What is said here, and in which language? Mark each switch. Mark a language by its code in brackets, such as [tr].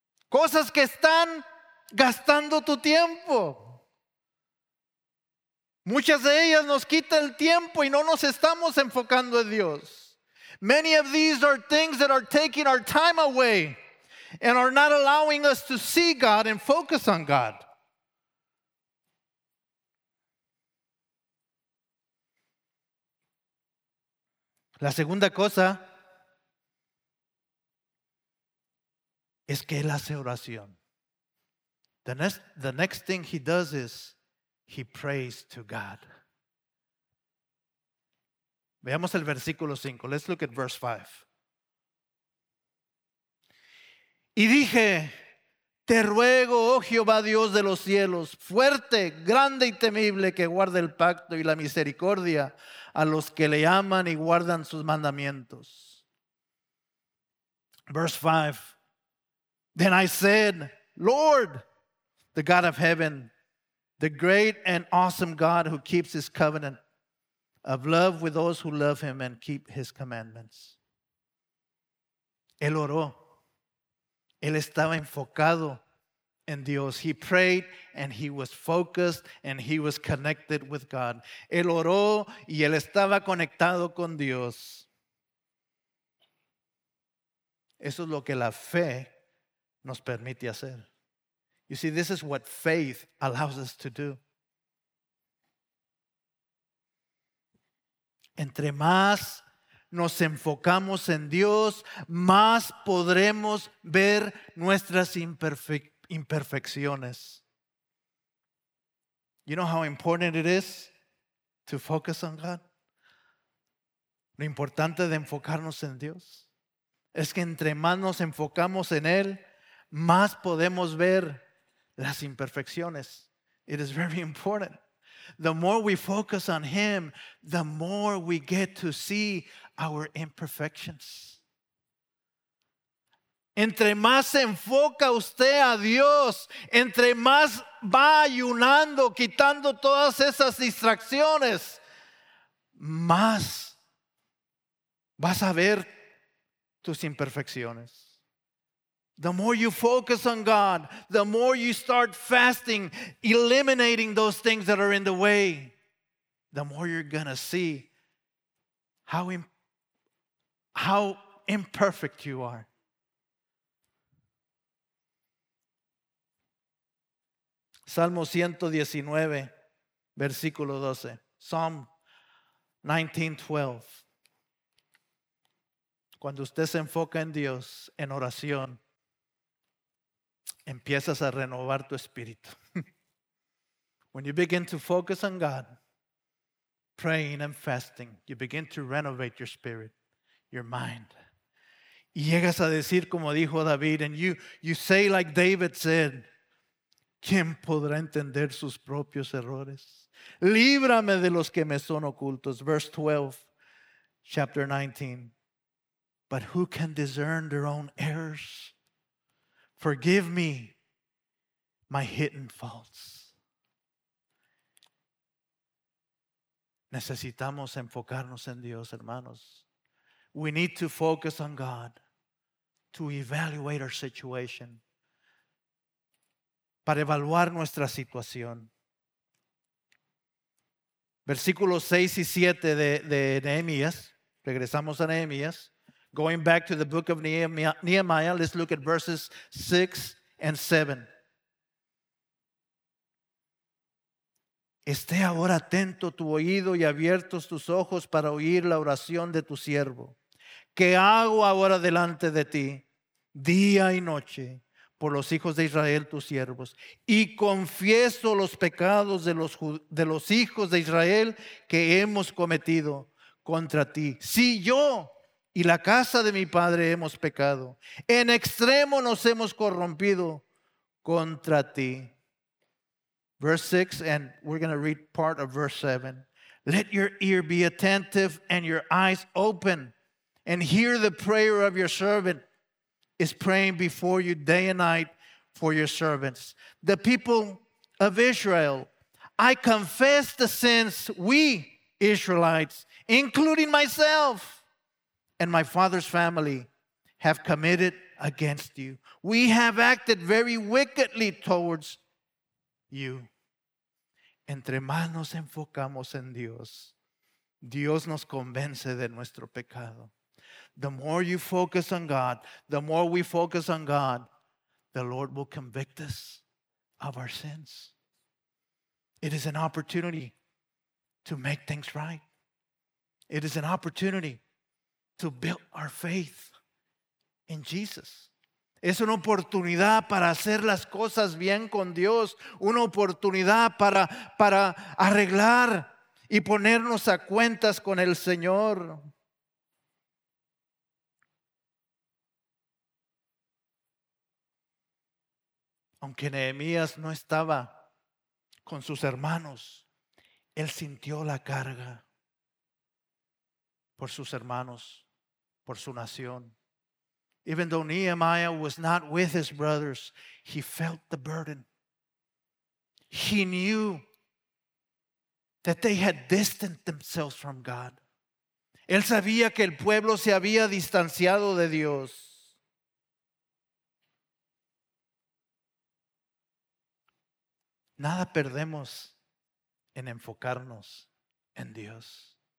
[es] Cosas que están gastando tu tiempo. Muchas de ellas nos quita el tiempo y no nos estamos enfocando en Dios. [en] Many of these are things that are taking our time away and are not allowing us to see God and focus on God. [es] La segunda cosa es que él hace oración. [en] The next thing he does is he prays to God. [es] Veamos el versículo 5. [en] Let's look at verse 5. [es] Y dije, te ruego, oh Jehová Dios de los cielos, fuerte, grande y temible, que guarde el pacto y la misericordia a los que le aman y guardan sus mandamientos. [en] Verse 5. Then I said, Lord, the God of heaven, the great and awesome God who keeps his covenant of love with those who love him and keep his commandments. [es] Él oró. Él estaba enfocado en Dios. [en] He prayed and he was focused and he was connected with God. [es] Él oró y él estaba conectado con Dios. Eso es lo que la fe nos permite hacer. [en] You see, this is what faith allows us to do. [es] Entre más nos enfocamos en Dios, más podremos ver nuestras imperfecciones. [en] You know how important it is to focus on God? [es] Lo importante de enfocarnos en Dios es que entre más nos enfocamos en Él, más podemos ver las imperfecciones. [en] It is very important. The more we focus on Him, the more we get to see our imperfections. [es] Entre más se enfoca usted a Dios, entre más va ayunando, quitando todas esas distracciones, más vas a ver tus imperfecciones. [en] The more you focus on God, the more you start fasting, eliminating those things that are in the way, the more you're going to see how imperfect you are. [es] Salmo 119, versículo 12. [en] Psalm 19:12. [es] Cuando usted se enfoca en Dios en oración, empiezas a renovar tu espíritu. [en] When you begin to focus on God, praying and fasting, you begin to renovate your spirit, your mind. [es] Y llegas a decir como dijo David, [en] and you say like David said, [es] ¿quién podrá entender sus propios errores? Líbrame de los que me son ocultos. [en] Verse 12, chapter 19. But who can discern their own errors? Forgive me my hidden faults. [es] Necesitamos enfocarnos en Dios, hermanos. [en] We need to focus on God to evaluate our situation, [es] para evaluar nuestra situación. Versículos 6 y 7 de Nehemías. Regresamos a Nehemías. [en] Going back to the book of Nehemiah, let's look at verses 6 and 7. [es] Esté ahora atento tu oído y abiertos tus ojos para oír la oración de tu siervo. ¿Qué hago ahora delante de ti, día y noche, por los hijos de Israel, tus siervos? Y confieso los pecados de los hijos de Israel que hemos cometido contra ti. Si yo y la casa de mi padre hemos pecado, en extremo nos hemos corrompido contra ti. [en] Verse 6, and we're going to read part of verse 7. Let your ear be attentive and your eyes open, and hear the prayer of your servant is praying before you day and night for your servants. The people of Israel, I confess the sins we Israelites, including myself and my father's family, have committed against you. We have acted very wickedly towards you. [es] entre más nos enfocamos en Dios, Dios nos convence de nuestro pecado. [en] The more you focus on God, the more we focus on God, the Lord will convict us of our sins. It is an opportunity to make things right. It is an opportunity to build our faith in Jesus. [es] Es una oportunidad para hacer las cosas bien con Dios. Una oportunidad para arreglar y ponernos a cuentas con el Señor. Aunque Nehemías no estaba con sus hermanos, él sintió la carga por sus hermanos, por su nación. [en] Even though Nehemiah was not with his brothers, he felt the burden. He knew that they had distanced themselves from God. [es] Él sabía que el pueblo se había distanciado de Dios. Nada perdemos en enfocarnos en Dios.